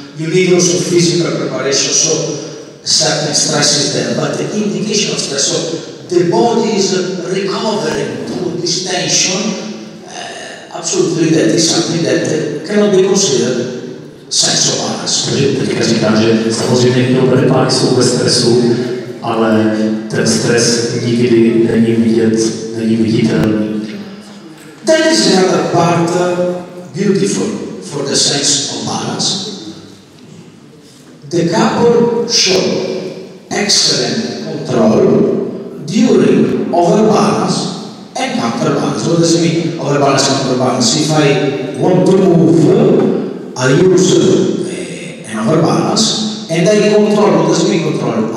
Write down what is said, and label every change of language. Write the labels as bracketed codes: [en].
[en] You need also physical preparation, so certain stress is there, but the indication of stress, so the body is recovering through this tension, absolutely that is something that cannot be considered sense of balance. [cs] Takže teďka říkám, že samozřejmě někdo prepáky jsou ve stresu, ale ten stres nikdy není vidět, není viditelný. [en] That is another part beautiful for the sense of balance. The couple show excellent control during overbalance and counterbalance. What does it mean, overbalance and counterbalance? If I want to move, I use an overbalance and I control. What does it mean, control?